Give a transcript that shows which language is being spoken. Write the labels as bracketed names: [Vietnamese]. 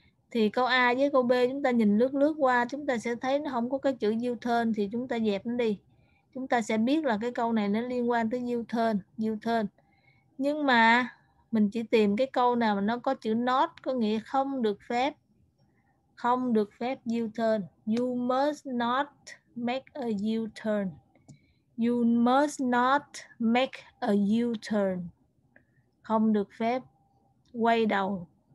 [Vietnamese] Thì câu A với câu B chúng ta nhìn lướt lướt qua chúng ta sẽ thấy nó không có cái chữ U-turn thì chúng ta dẹp nó đi. Chúng ta sẽ biết là cái câu này nó liên quan tới U-turn. Nhưng mà mình chỉ tìm cái câu nào mà nó có chữ not, có nghĩa không được phép. Không được phép U-turn. [English] You must not make a U-turn. You must not make a U-turn. [Vietnamese] Không được phép quay đầu.